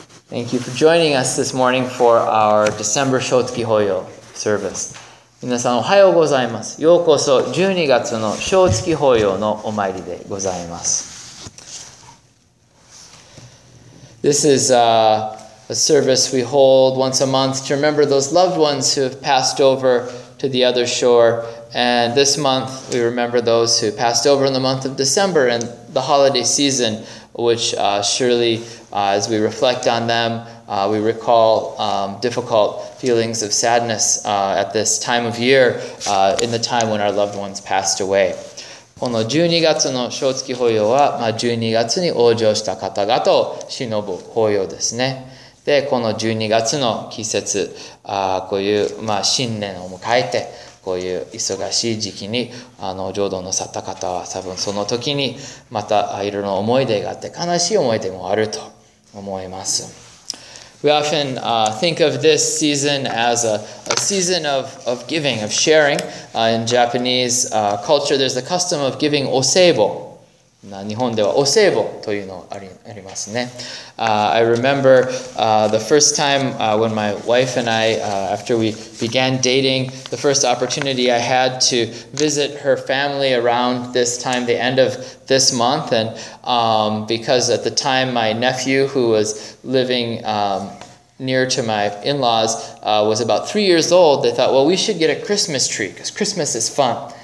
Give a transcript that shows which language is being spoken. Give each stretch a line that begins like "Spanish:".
English: Thank you for joining us this morning for our December 初月法要 service.
Japanese: 皆さんおはようございます。ようこそ12月の正月法要のお参りでございます。
English: This is a service we hold once a month to remember those loved ones who have passed over to the other shore. And this month we remember those who passed over in the month of December and the holiday season, which surely as we reflect on them,we recall difficult feelings of sadness at this time of year, in the time when our loved ones passed away.
Japanese: この12月の正月法要は、まあ、12月に往生した方々を偲ぶ法要ですね。で、この12月の季節、こういう、まあ、新年を迎えて、こういう忙しい時期に浄土の去った方は、多分その時にまたいろいろ思い出があって、悲しい思い出もあると思います。
English: We often think of this season as a season of giving, of sharing. In Japanese culture, there's the custom of giving osebo.
Japanese: 日本ではおせぼというのがありますね。
English: I remember the first time when my wife and I, after we began dating, the first opportunity I had to visit her family around this time, the end of this month. And because at the time my nephew, who was living near to my in-laws, was about 3 years old, they thought, well, we should get a Christmas tree because Christmas is fun.